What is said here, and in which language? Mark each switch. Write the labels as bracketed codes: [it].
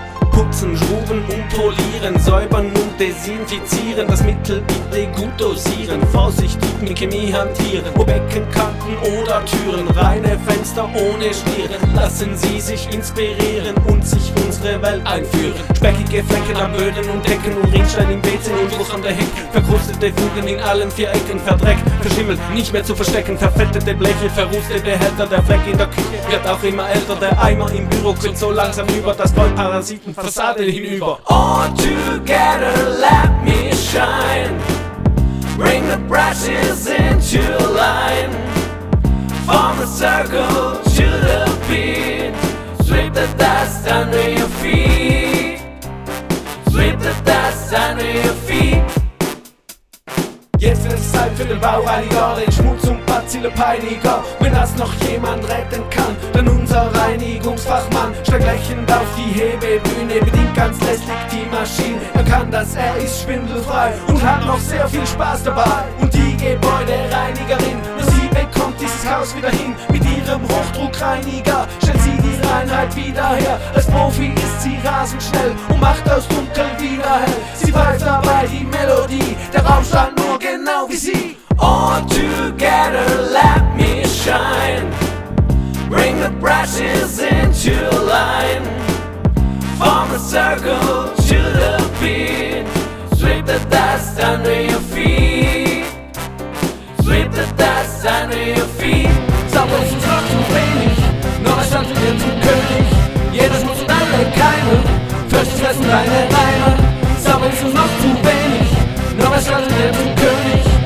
[de] putzen, schrubben und polieren, säubern und desinfizieren, das Mittel bitte gut dosieren, vorsichtig mit Chemie hantieren, wo Beckenkanten oder Türen, reine Fenster ohne Stieren, lassen Sie sich inspirieren und sich unsere Welt einführen, speckige Flecken am Böden und Decken, Urinstein im WC und Ruß an der Hecke, verkrustete Fugen in allen vier Ecken, verdreckt, verschimmelt, nicht mehr zu verstecken, verfettete Bleche, verrußte Behälter, der Fleck in der Küche wird auch immer älter, der Eimer im Büro quillt so langsam über das Gold, Parasitenfassade hinüber. [en] All together let me shine, bring the brushes into line, form a circle to the beat, sweep the dust under your feet, sweep the dust under your feet. [de] Jetzt wird es Zeit für den Baureiniger, den Schmutz- und Bazillepeiniger. Wenn das noch jemand retten kann, dann unser Reinigungsfachmann. Steig lächelnd auf die Hebebühne, bedient ganz lässig die Maschine. Er kann das, er ist schwindelfrei und hat noch sehr viel Spaß dabei. Und die Gebäudereinigerin, nur sie bekommt dieses Haus wieder hin. Mit ihrem Hochdruckreiniger stellt sie die Reinheit wieder her. Als Profi ist sie rasend schnell und macht aus Dunkel wieder hell. Sie pfeift dabei die Melodie, der Raum stand nur. Genau wie sie. [en] All together let me shine, bring the brushes into line, form a circle to the beat, sweep the dust under your feet, sweep the dust under your feet. [de] Sauber ist uns noch zu wenig, noch ein Stand wird zum König, jedes muss und alle Keime fürchten fressen deine Reime. Sauber ist uns noch zu wenig, noch ein Stand wird zum König,